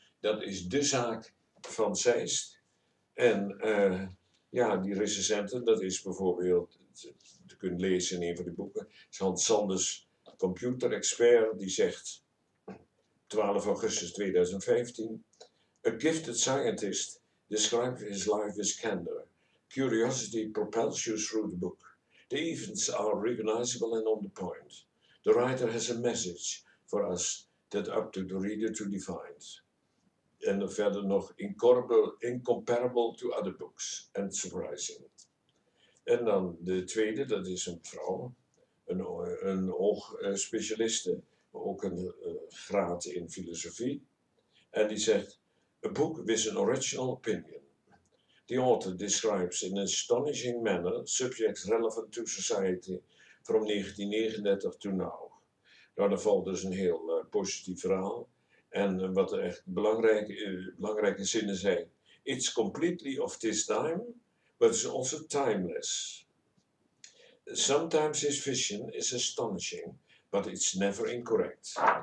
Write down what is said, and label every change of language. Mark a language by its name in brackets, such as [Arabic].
[Dutch] Dat is de zaak van Zeist. En die recensenten, dat is bijvoorbeeld, je kunt lezen in een van die boeken, is Hans Sanders, computerexpert, die zegt 12 augustus 2015, [English] A gifted scientist describes his life as candor. Curiosity propels you through the book. The events are recognizable and on the point. The writer has a message for us that up to the reader to define. [Dutch] En verder nog [English] incomparable to other books and surprising. [Dutch] En dan de tweede, dat is een vrouw, een oogspecialiste, ook een graad in filosofie. En die zegt, [English] a book with an original opinion. The author describes in an astonishing manner subjects relevant to society from 1939 to now. [Dutch] Nou, dat valt dus een heel positief verhaal. En wat er echt belangrijke zinnen zijn. [English] It's completely of this time, but it's also timeless. Sometimes his vision is astonishing, but it's never incorrect.